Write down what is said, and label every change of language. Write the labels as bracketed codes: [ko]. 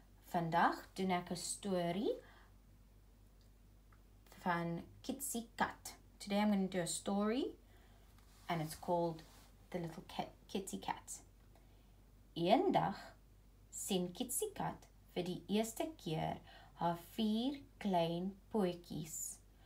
[af] Vandag doen ek 'n storie van Kietsie Kat. [en] Today I'm going to do a story and it's called The Little Kietsie Kat. [af] Eendag sien Kietsie Kat vir die eerste keer haar vier klein pootjies.